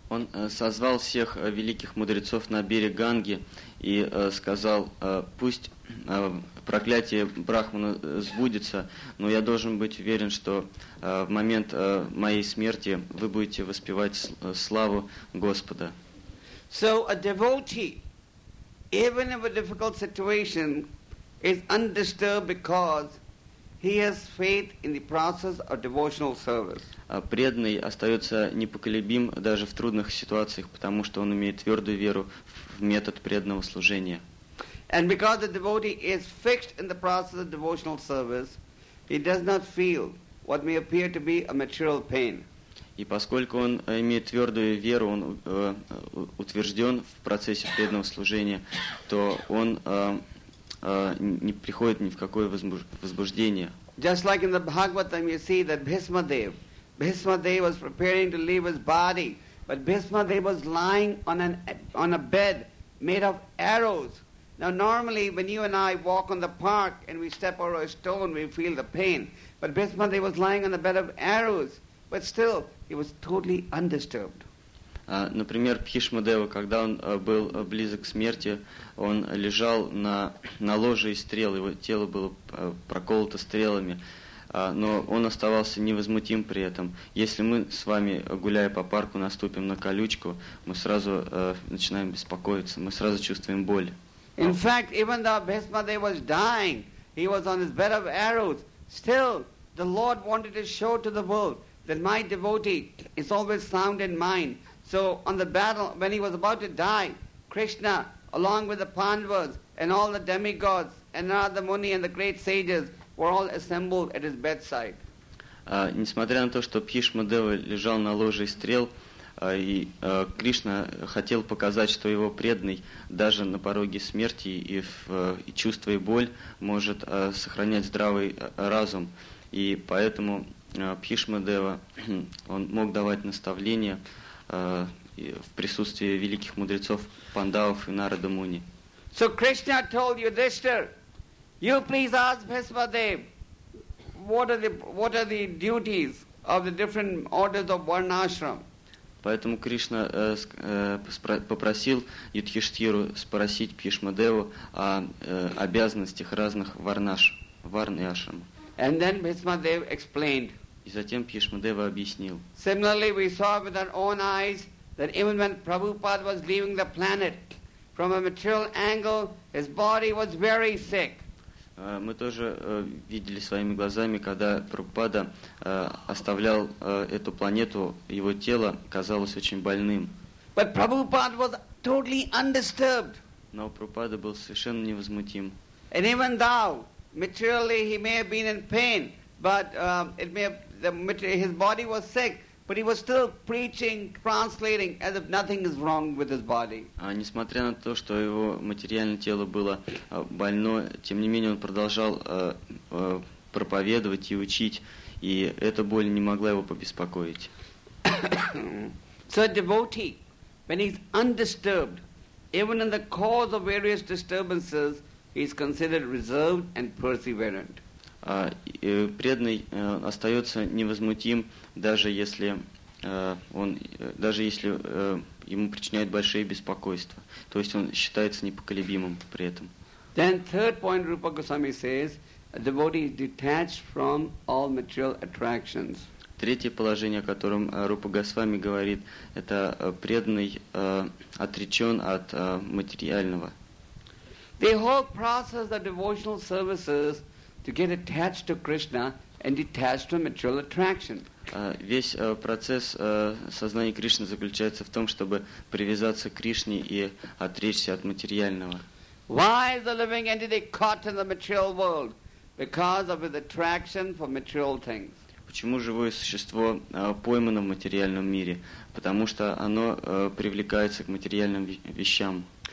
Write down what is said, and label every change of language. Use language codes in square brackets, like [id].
[ru] Он созвал всех великих мудрецов на берег Ганги и сказал, пусть проклятие Брахмана сбудется, но я должен быть уверен, что в момент моей смерти вы будете воспевать славу Господа. [en] So a devotee, even in a difficult situation, is undisturbed because he has faith in the process of devotional service. [ru] Преданный остается непоколебим даже в трудных ситуациях, потому что он имеет твердую веру в метод преданного служения. [en] And because the devotee is fixed in the process of devotional service, he does not feel what may appear to be a material pain. [ru] И поскольку он имеет твердую веру, он утвержден в процессе преданного служения, то он не приходит ни в какое возбуждение. [en] Just like in the Bhagavatam, you see that Bhishma Dev was preparing to leave his body, but Bhishma Dev was lying on a bed made of arrows. Now normally, when you and I walk on the park and we step over a stone, we feel the pain. But Bhishma Dev was lying on the bed of arrows, but still, he was totally undisturbed. [ru] Например, Бхишма Дева, когда он был близок к смерти, он лежал на ложе из стрел, его тело было проколото стрелами, но он оставался невозмутим при этом. Если мы с вами, гуляя по парку, наступим на колючку, мы сразу начинаем беспокоиться, мы сразу чувствуем боль. [en] In fact, even though Bhishma Dev was dying, he was on his bed of arrows, still the Lord wanted to show to the world that my devotee is always sound in mind. So on the battle, when he was about to die, Krishna, along with the Pandavas and all the demigods and Narada Muni and the great sages were all assembled at his bedside. [ru] Несмотря на то, что Бхишма Дева лежал на ложе из стрел, и Кришна хотел показать, что его преданный даже на пороге смерти и чувство и боль может сохранять здравый разум. И поэтому Бхишма Дева, он мог давать наставления в присутствии великих мудрецов Пандавов и Нарада Муни. [en] So Krishna told Yudhishthir, you please ask Bhishma Dev, what are the duties of the different orders of Varnashram? [ru] Поэтому Кришна попросил Юдхиштхиру спросить Бхишма Деву о обязанностях разных варны ашрам. [en] And then Bhishma Dev explained. [ru] И затем Бхишма Дева объяснил. [en] Similarly, we saw with our own eyes that even when Prabhupada was leaving the planet, from a material angle, his body was very sick. [ru] Мы тоже видели своими глазами, когда Прабхупада оставлял эту планету, его тело казалось очень больным. [en] But Prabhupada was totally undisturbed. [ru] Но Прабхупада был совершенно невозмутим. [en] And even though materially he may have been in pain, but his body was sick, but he was still preaching, translating as if nothing is wrong with his body. [ru] Несмотря на то, что его материальное тело было больно, тем не менее он продолжал проповедовать и учить, и эта боль не могла его побеспокоить. [en] So a devotee, when he's undisturbed, even in the cause of various disturbances, he's considered reserved and perseverant. [ru] Преданный остается невозмутим, даже если он, даже если ему причиняют большие беспокойства. То есть он считается непоколебимым при этом. [en] Then third point Rupa Goswami says, a devotee is detached from all material attractions. [ru] Третье положение, о котором Рупа Госвами говорит, это преданный отречен от материального. [en] The whole process of devotional services to get attached to Krishna and detached from material attraction. [ru] Весь процесс сознания Кришны заключается в том, чтобы привязаться к Кришне и отречься от материального. [en] Why is the living entity caught in the material world? Because of its attraction for material things. [ru] Почему живое существо поймано в материальном мире? Потому что оно привлекается к материальным вещам.